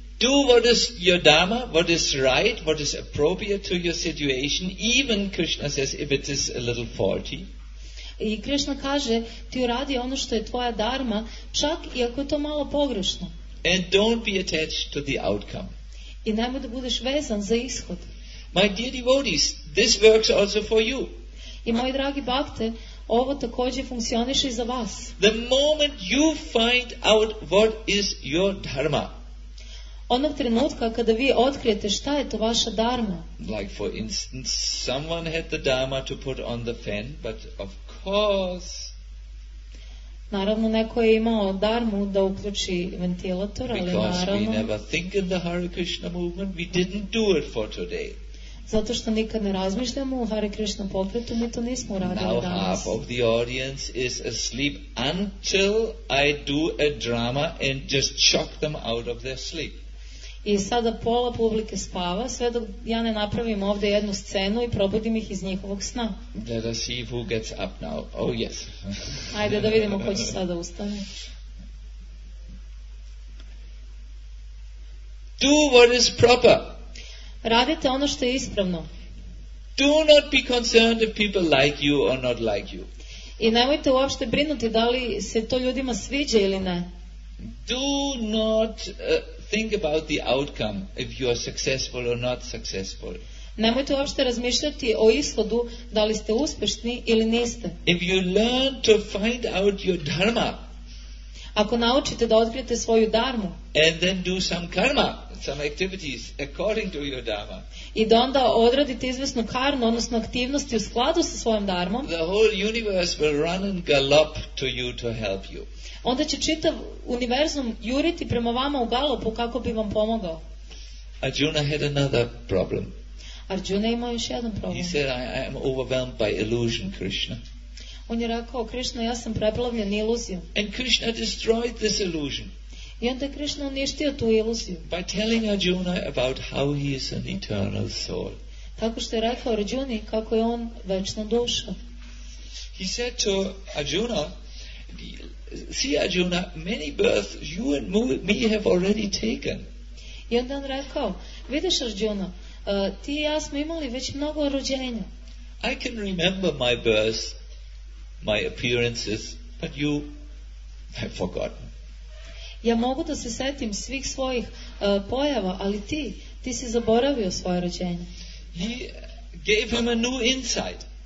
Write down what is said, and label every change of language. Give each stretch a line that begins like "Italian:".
English: Do what is your dharma, what is right, what is appropriate to your situation, even Krishna says if it is a little faulty.
Serbian: I Krishna kaže, ti uradi ono što je tvoja dharma, čak i ako je to malo pogrešno.
English: And don't be attached to the outcome.
Serbian: I nemoj da budeš vezan za ishod.
English: My dear devotees, this works also for you.
Serbian: I moji dragi bakte, ovo takođe funkcioniše i za vas.
English: The moment you find out what is your dharma.
Serbian: Onog trenutka kada vi otkrijete šta je to vaša dharma.
English: Like for instance, someone had the dharma to put on the fan, but of course.
Serbian: Naravno, neko je imao dharmu da uključi ventilator, ali
English: because
Serbian: naravno.
English: Because we never think in the Hare Krishna movement, we didn't do it for today.
Serbian: Zato što nikad ne razmišljamo o Hare Krishna pokretu, mi to nismo uradili danas.
English: Now half of the audience is asleep until I do a drama and just shock them out of their sleep.
Serbian: I sada pola publike spava sve dok ja ne napravim ovde jednu scenu i probudim ih iz njihovog sna.
English: Let us see who gets up now. Oh yes.
Serbian: Ajde da vidimo ko će sada ustane.
English: Do what is proper.
Serbian: Radite ono što je ispravno.
English: Do not be concerned if people like you or not like you.
Serbian: I nemojte uopšte brinuti da li se to ljudima sviđa ili ne.
English: Do not think about the outcome if you are successful or not successful.
Serbian: Nemojte uopšte razmišljati o ishodu da li ste uspešni ili niste.
English: If you learn to find out your dharma.
Serbian: Ako naučite da otkrijete svoju dharmu.
English: And then do some karma. Some activities according to your dharma.
Serbian: I da onda odradite izvesnu karmu, odnosno aktivnosti u skladu sa svojom dharmom.
English: The whole universe will run and galop to you to help you.
Serbian: Onda će čitav univerzum juriti prema vama u galopu kako bi vam pomogao.
English: Arjuna had another problem.
Serbian: Arjuna imao još jedan problem.
English: He said, I am overwhelmed by illusion, Krishna.
Serbian: On je rekao, Krishna, ja sam preplavljen iluzijom.
English: And Krishna destroyed this illusion.
Serbian: I onda je Krishna uništio tu iluziju.
English: By telling Arjuna about how he is an eternal soul.
Serbian: Tako što je rekao Arjuni kako je on večna duša.
English: He said to Arjuna, see Arjuna, many births you and me have already taken.
Serbian: I onda je on rekao, vidiš Arjuna, ti i ja smo imali već mnogo rođenja.
English: I can remember my births, my appearances, but you have forgotten.
Serbian: Ja mogu da se setim svih svojih pojava, ali ti si zaboravio svoje rođenje.
English: He gave him a new insight.